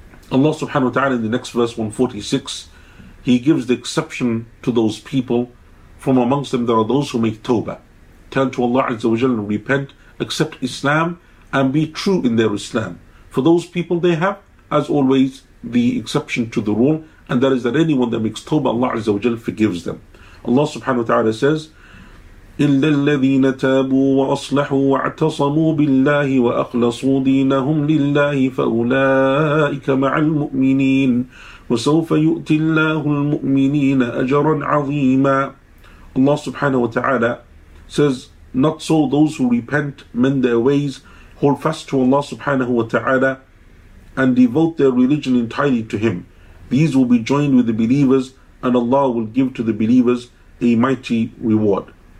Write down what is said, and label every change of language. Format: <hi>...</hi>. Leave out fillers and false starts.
<en>Allah subhanahu wa ta'ala in the next verse 146, He gives the exception to those people. From amongst them, there are those who make tawbah, turn to Allah Azza wa Jal and repent, accept Islam and be true in their Islam. For those people, they have, as always, the exception to the rule, and that is that anyone that makes tawbah, Allah Azza wa Jal forgives them.</en> <ar>Allah subhanahu wa ta'ala</ar> <en>says,</en> <ar>إِلَّا الَّذِينَ تَابُوا وَأَصْلَحُوا وَاعْتَصَمُوا بِاللَّهِ وَأَخْلَصُوا دِينَهُمْ لِلَّهِ فَأُولَٰئِكَ مَعَ الْمُؤْمِنِينَ وَسَوْفَ يُؤْتِ اللَّهُ الْمُؤْمِنِينَ أَجْرًا عَظِيمًا.</ar> <en>Allah subhanahu wa ta'ala says, not so those who repent, mend their ways, hold fast to Allah subhanahu wa ta'ala, and devote their religion entirely to Him. These will be joined with the believers, and Allah will give to the believers a mighty reward.</en>